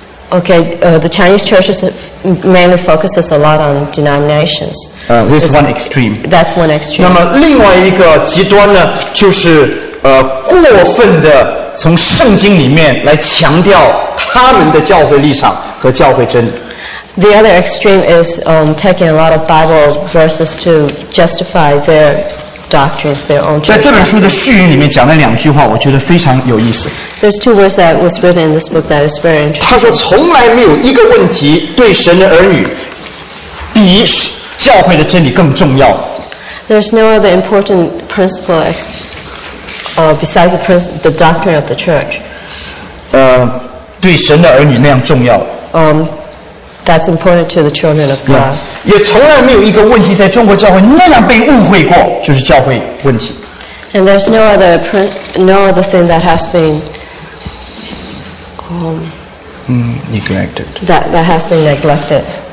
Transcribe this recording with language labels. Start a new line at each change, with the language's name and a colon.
English: Okay, the Chinese churches mainly focuses a lot on denominations. This is one extreme. That's one extreme.
Chinese: 那么另外一个极端呢，就是过分的从圣经里面来强调他们的教会立场和教会真理。
English: The other extreme is taking a lot of Bible verses to justify their doctrines, their own church.
Chinese: 在这本书的序言里面讲了两句话，我觉得非常有意思。
English: There's two words that was written in this book that is very interesting.
Chinese: 他说从来没有一个问题对神的儿女比教会的真理更重要。
English: There's no other important principle besides the doctrine of the church.
Chinese: 对神的儿女那样重要。
English: That's important to the children of God. Yeah.
Chinese: 也从来没有一个问题在中国教会那样被误会过，就是教会问题。
English: And there's no other thing that has been neglected. That has been neglected.